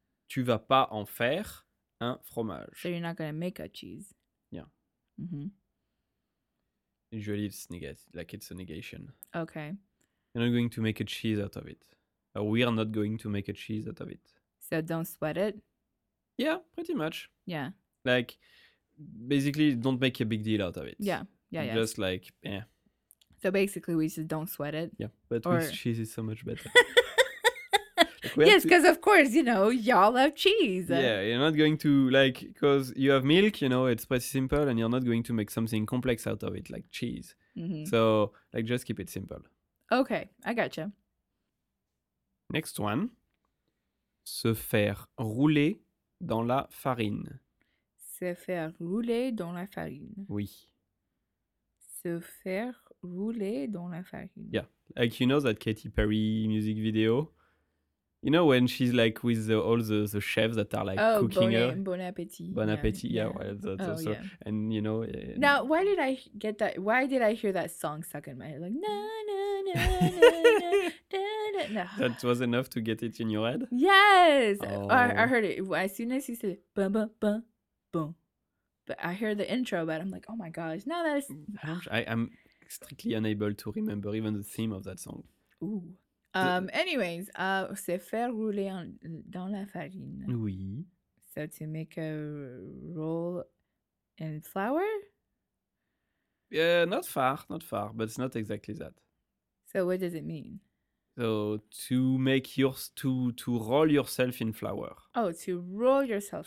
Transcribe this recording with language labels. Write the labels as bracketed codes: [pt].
[fr] tu vas pas en faire un fromage. [en] So you're not going to make a cheese. Yeah. Mm-hmm. Usually it's negative, like it's a negation. Okay. You're not going to make a cheese out of it. Or we are not going to make a cheese out of it. So don't sweat it? Yeah, pretty much. Yeah. Like, basically, don't make a big deal out of it. Yeah, yeah, yeah. Just like, yeah. So basically, we just don't sweat it. Yeah, but or... with cheese is so much better. Like, yes, because of course, you know, y'all have cheese. Yeah, you're not going to, like, because you have milk, you know, it's pretty simple, and you're not going to make something complex out of it, like cheese. Mm-hmm. So, like, just keep it simple. Okay, I gotcha. Next one. [fr] Se faire rouler dans la farine. Se faire rouler dans la farine. Oui. Se faire rouler dans la farine. [en] Yeah. Like, you know that Katy Perry music video? You know when she's like with the, all the chefs that are like cooking her? [fr] Bon appétit. [en] Bon appétit, yeah. Yeah. Well, that's also, yeah. And you know. Now, why did I get that? Why did I hear that song stuck in my head? Like, na na na na na na. That was enough to get it in your head? Yes. Oh. I heard it. As soon as you said, bum, bum, bum, bum. But I hear the intro, but I'm like, oh my gosh. Now that's. I'm strictly unable to remember even the theme of that song. Ooh. Anyways, [fr] se faire rouler en, dans la farine. Oui. [en] So to make a roll in flour? Yeah, not far, not far, but it's not exactly that. So what does it mean? So to make yours, to roll yourself in flour. Oh, to roll yourself